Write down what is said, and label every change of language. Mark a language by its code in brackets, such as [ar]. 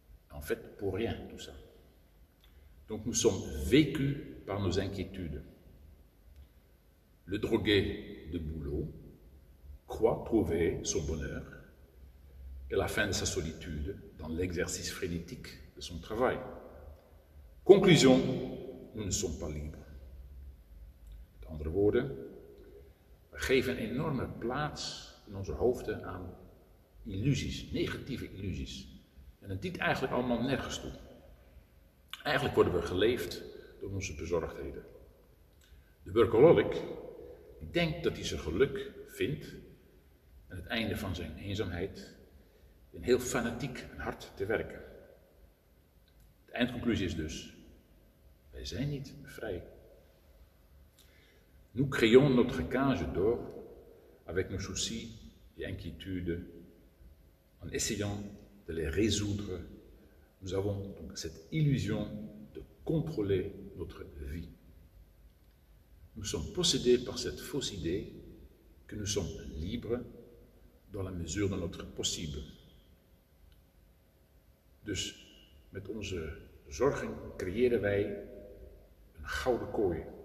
[fr] En fait, pour rien, tout ça. Donc nous sommes vécus par nos inquiétudes. Le drogué de boulot croit trouver son bonheur et la fin de sa solitude dans l'exercice frénétique de son travail. Conclusion, nous ne sommes pas libres. [nl] Met andere woorden, we geven een enorme plaats in onze hoofden aan illusies, negatieve illusies. En het dient eigenlijk allemaal nergens toe. Eigenlijk worden we geleefd door onze bezorgdheden. De workaholic denkt dat hij zijn geluk vindt en het einde van zijn eenzaamheid in heel fanatiek en hard te werken. De eindconclusie is dus, wij zijn niet vrij. [fr] Nous créons notre cage d'or avec nos soucis et inquiétudes en essayant de les résoudre. Nous avons donc cette illusion de contrôler notre vie. Nous sommes possédés par cette fausse idée que nous sommes libres dans la mesure de notre possible. [nl] Dus met onze zorgen creëren wij een gouden kooi.